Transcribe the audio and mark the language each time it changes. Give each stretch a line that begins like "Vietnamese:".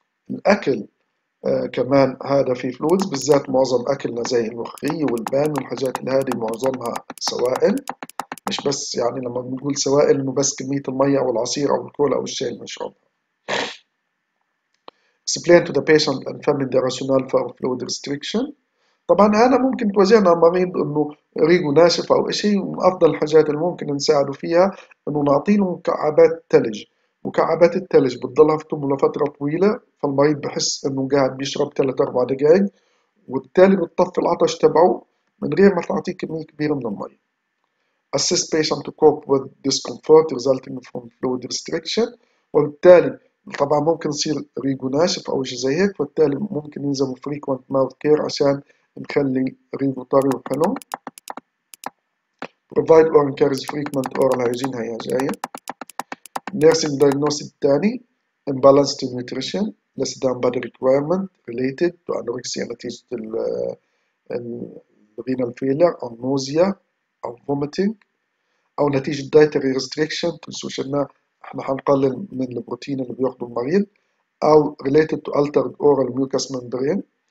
Arabic: الاكل كمان هذا في فلويدز، بالذات معظم اكلنا زي الملوخية والبان والحاجات اللي هذه معظمها سوائل، مش بس يعني لما بنقول سوائل انه بس كمية المية او العصير او الكولا او الشاي اللي بنشربها.
English: Explain to the patient and family the rationale for fluid restriction.
Arabic: طبعا انا ممكن توجهنا مريض انه ريقه ناشف او اشي، افضل الحاجات اللي ممكن نساعده فيها انه نعطيه مكعبات ثلج. مكعبات الثلج بتضلها في تمه لفتره طويله، فالمريض بحس انه قاعد بيشرب 3 4 دقائق، وبالتالي بتطفي العطش تبعه من غير ما تعطيه كميه كبيره من المي.
English: Assist patient to cope with discomfort resulting from fluid restriction،
Arabic: وبالتالي طبعا ممكن يصير ريقه ناشف او شيء زي هيك، وبالتالي ممكن يلزم
English: frequent mouth care
Arabic: عشان نخلي ريقه طري وحلو.
English: Provide or encourage frequent oral hygiene،
Arabic: هي جايه.
English: Nursing diagnosis الثاني imbalanced nutrition less than body requirement related to anorexia نتيجة ال renal failure أو nausea أو vomiting أو نتيجة dietary restriction،
Arabic: تنسوش إن إحنا حنقلل من البروتين اللي بياخده المريض،
English: أو related to altered oral mucous membrane.